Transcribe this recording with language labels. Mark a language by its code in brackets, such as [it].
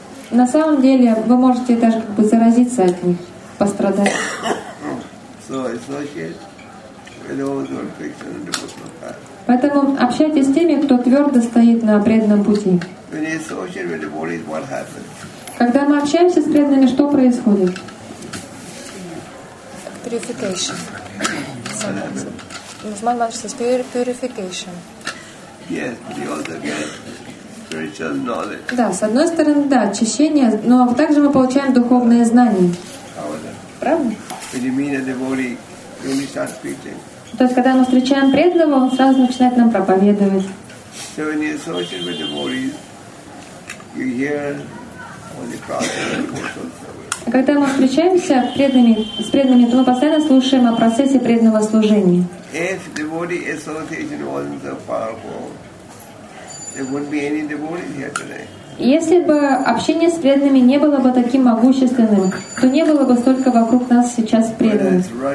[ru] На самом деле, вы можете даже как бы заразиться от них, пострадать. [en] So associate with those who are fixed on the devotional path. [ru] Поэтому общайтесь с теми, кто твердо стоит на преданном пути. [en] When you associate with the devotees, what happens? [ru] Когда мы общаемся с преданными, что происходит? [en] Purification. Yes, but you also get spiritual knowledge. [ru] Да, с одной стороны, да, очищение, но также мы получаем духовные знания. Правда? [en] You mean a devotee really starts preaching? [ru] То есть, когда мы встречаем преданного, он сразу начинает нам проповедовать. [en] So when you associate with devotees, you hear on the cross and devotional service. [ru] Когда мы встречаемся с преданными, то мы постоянно слушаем о процессе преданного служения. [en] If devotee association wasn't so powerful, there wouldn't be any devotees here today. [ru] Если бы общение с преданными не было бы таким могущественным, то не было бы столько вокруг нас сейчас преданных.